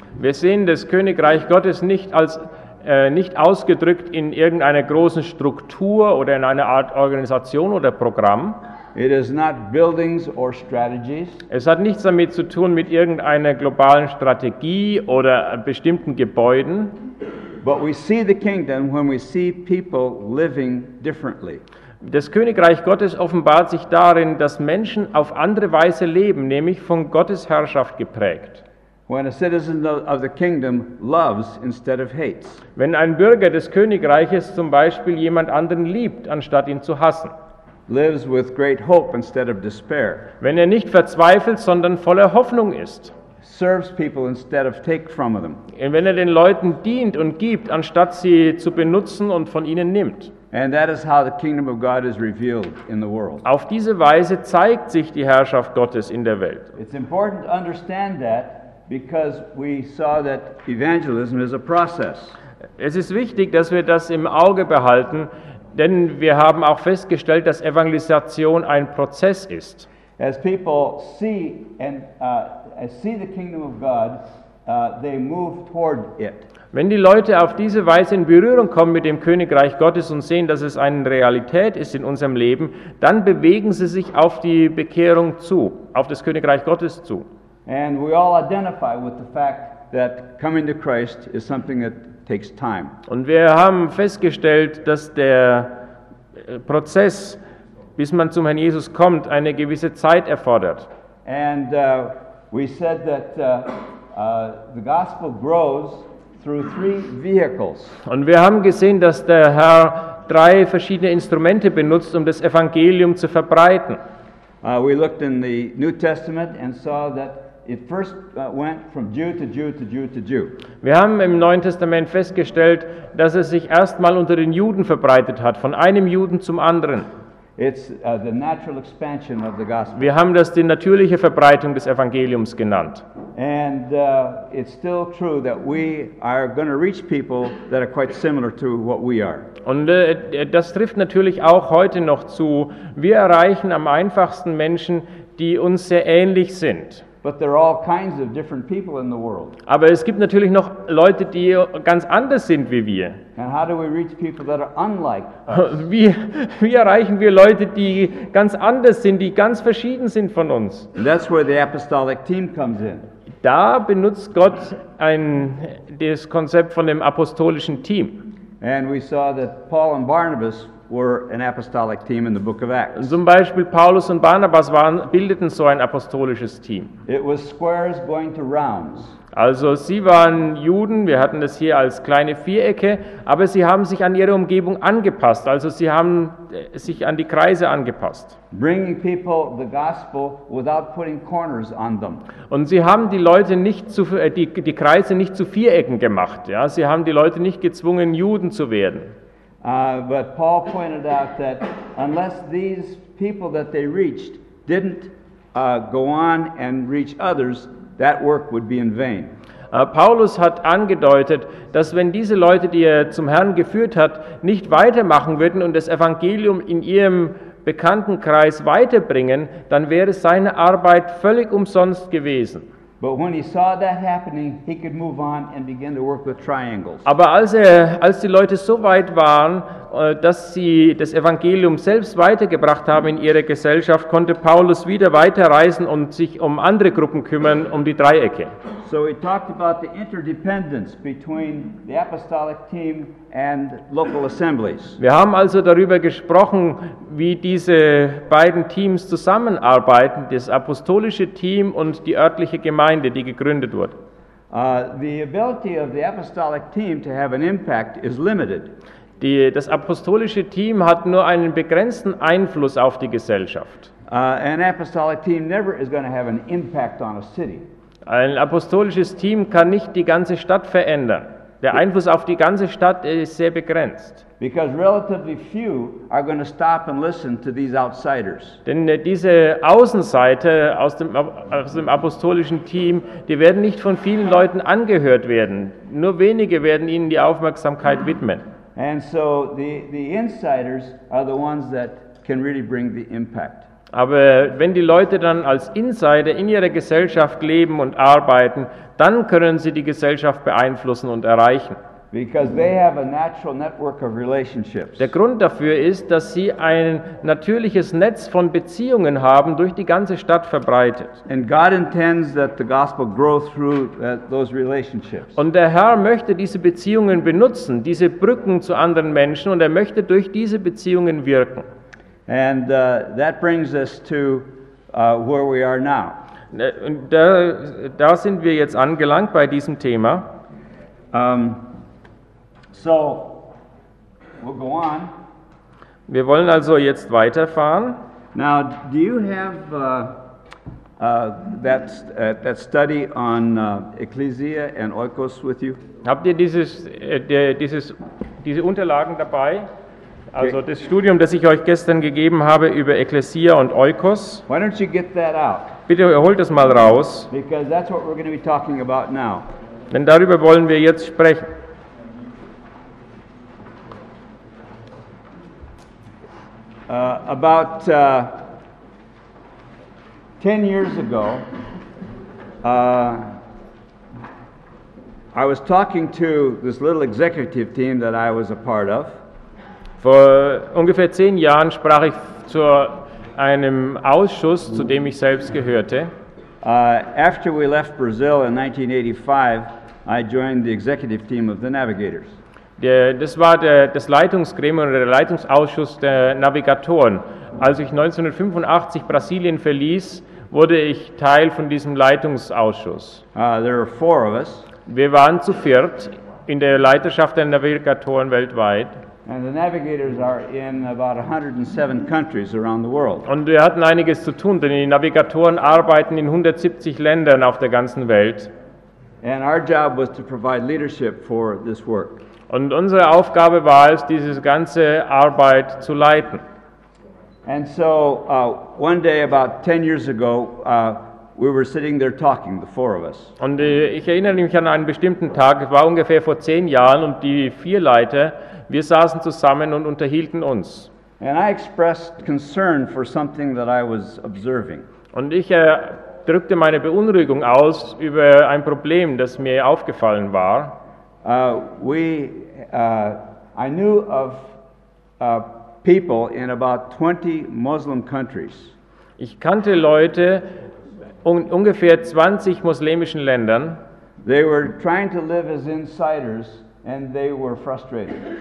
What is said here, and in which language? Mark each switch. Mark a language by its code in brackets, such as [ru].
[de] Wir sehen das Königreich Gottes nicht ausgedrückt in irgendeiner großen Struktur oder in einer Art Organisation oder Programm. [en] It is not buildings or strategies. [de] Es hat nichts damit zu tun mit irgendeiner globalen Strategie oder bestimmten Gebäuden. [en] But we see the kingdom when we see people living differently. [de] Das Königreich Gottes offenbart sich darin, dass Menschen auf andere Weise leben, nämlich von Gottes Herrschaft geprägt. [en] When a citizen of the kingdom loves instead of hates. [de] Wenn ein Bürger des Königreiches zum Beispiel jemand anderen liebt, anstatt ihn zu hassen. [en] Lives with great hope instead of despair. [de] Wenn er nicht verzweifelt, sondern voller Hoffnung ist. [en] Serves people instead of take from them. [de] Und wenn er den Leuten dient und gibt, anstatt sie zu benutzen und von ihnen nimmt. [en] And that is how the kingdom of God is revealed in the world. [de] Auf diese Weise zeigt sich die Herrschaft Gottes in der Welt. [en] It's important to understand that. Because we saw that evangelism is a process. [de] Es ist wichtig, dass wir das im Auge behalten, denn wir haben auch festgestellt, dass Evangelisation ein Prozess ist. [en] As people see and see the kingdom of God, they move toward it. [de] Wenn die Leute auf diese Weise in Berührung kommen mit dem Königreich Gottes und sehen, dass es eine Realität ist in unserem Leben, dann bewegen sie sich auf die Bekehrung zu, auf das Königreich Gottes zu. [en] And we all identify with the fact that coming to Christ is something that takes time. [de] Und wir haben festgestellt, dass der Prozess, bis man zum Herrn Jesus kommt, eine gewisse Zeit erfordert. [en] And we said that the gospel grows through three vehicles. [de] Und wir haben gesehen, dass der Herr drei verschiedene Instrumente benutzt, um das Evangelium zu verbreiten. [en] We looked in the New Testament and saw that it first went from Jew to Jew to Jew to Jew. [de] Wir haben im Neuen Testament festgestellt, dass es sich erstmal unter den Juden verbreitet hat, von einem Juden zum anderen. [en] It's the natural expansion of the gospel. [de] Wir haben das die natürliche Verbreitung des Evangeliums genannt. [en] And it's still true that we are going to reach people that are quite similar to what we are. [de] Und das trifft natürlich auch heute noch zu. Wir erreichen am einfachsten Menschen, die uns sehr ähnlich sind. [en] But there are all kinds of different people in the world. [de] Aber es gibt natürlich noch Leute, die ganz anders sind wie wir. [en] And how do we reach people that are unlike us? [de] Wie erreichen wir Leute, die ganz anders sind, die ganz verschieden sind von uns? [en] And that's where the apostolic team comes in. [de] Da benutzt Gott das Konzept von dem apostolischen Team. [en] And we saw that Paul and Barnabas were an apostolic team in the book of Acts. [de] Zum Beispiel Paulus und Barnabas bildeten so ein apostolisches Team. [en] It was squares going to rounds. [de] Also sie waren Juden, wir hatten das hier als kleine Vierecke, aber sie haben sich an ihre Umgebung angepasst. Also sie haben sich an die Kreise angepasst. [en] Bringing people the gospel without putting corners on them. [de] Und sie haben die Leute nicht zu die Kreise nicht zu Vierecken gemacht, ja? Sie haben die Leute nicht gezwungen, Juden zu werden. [en] But Paul pointed out that unless these people that they reached didn't go on and reach others, that work would be in vain. [de] Paulus hat angedeutet, dass wenn diese Leute, die er zum Herrn geführt hat, nicht weitermachen würden und das Evangelium in ihrem Bekanntenkreis weiterbringen, dann wäre seine Arbeit völlig umsonst gewesen. [en] But when he saw that happening, he could move on and begin to work with triangles. [de] Aber als die Leute so weit waren, dass sie das Evangelium selbst weitergebracht haben in ihrer Gesellschaft, konnte Paulus wieder weiterreisen und sich um andere Gruppen kümmern, um die Dreiecke. [en] So he talked about the interdependence between the apostolic team and local assemblies. [de] Wir haben also darüber gesprochen, wie diese beiden Teams zusammenarbeiten, das apostolische Team und die örtliche Gemeinde, die gegründet wurde. [en] The ability of the apostolic team to have an impact is limited. [de] Das apostolische Team hat nur einen begrenzten Einfluss auf die Gesellschaft. [en] An apostolic team never is going to have an impact on a city. [de] Ein apostolisches Team kann nicht die ganze Stadt verändern. Der Einfluss auf die ganze Stadt ist sehr begrenzt. [en] Because relatively few are going to stop and listen to these outsiders. [de] Denn diese Außenseiter aus dem apostolischen Team, die werden nicht von vielen Leuten angehört werden. Nur wenige werden ihnen die Aufmerksamkeit widmen. [en] And so the insiders are the ones that can really bring the impact. [de] Aber wenn die Leute dann als Insider in ihrer Gesellschaft leben und arbeiten, dann können sie die Gesellschaft beeinflussen und erreichen. [en] Because they have a natural network of relationships. [de] Der Grund dafür ist, dass sie ein natürliches Netz von Beziehungen haben, durch die ganze Stadt verbreitet. [en] And God intends that the gospel grow through those relationships. [de] Und der Herr möchte diese Beziehungen benutzen, diese Brücken zu anderen Menschen, und er möchte durch diese Beziehungen wirken. [en] And that brings us to where we are now. [de] Da sind wir jetzt angelangt bei diesem Thema. [en] So we'll go on. [de] Wir wollen also jetzt weiterfahren. [en] Now, do you have that study on Ecclesia and Oikos with you? [de] Habt ihr diese Unterlagen dabei? Also das Studium, das ich euch gestern gegeben habe über Ekklesia und Oikos. [en] Why don't you get that out? [de] Bitte holt das mal raus. [en] Because that's what we're going to be talking about now. [de] Denn darüber wollen wir jetzt sprechen. [en] About 10 years ago, I was talking to this little executive team that I was a part of. [de] Vor ungefähr 10 Jahren sprach ich zu einem Ausschuss, zu dem ich selbst gehörte. [en] After we left Brazil in 1985, I joined the executive team of the Navigators. [de] Das war das Leitungsgremium oder der Leitungsausschuss der Navigatoren. Als ich 1985 Brasilien verließ, wurde ich Teil von diesem Leitungsausschuss. [en] There are four of us. [de] Wir waren zu viert in der Leiterschaft der Navigatoren weltweit. [en] And the Navigators are in about 107 countries around the world. [de] Und wir hatten einiges zu tun, denn die Navigatoren arbeiten in 170 Ländern auf der ganzen Welt. [en] And our job was to provide leadership for this work. [de] Und unsere Aufgabe war es, diese ganze Arbeit zu leiten. [en] And so one day about 10 years ago we were sitting there talking, the four of us. [de] Und ich erinnere mich an einen bestimmten Tag, es war ungefähr vor 10 Jahren und die vier Leiter, wir saßen zusammen und unterhielten uns. [en] And I expressed concern for something that I was observing. [de] Und ich drückte meine Beunruhigung aus über ein Problem, das mir aufgefallen war. [en] I knew of people in about 20 Muslim countries. [de] Ich kannte Leute in ungefähr 20 muslimischen Ländern. [en] They were trying to live as insiders and they were frustrated.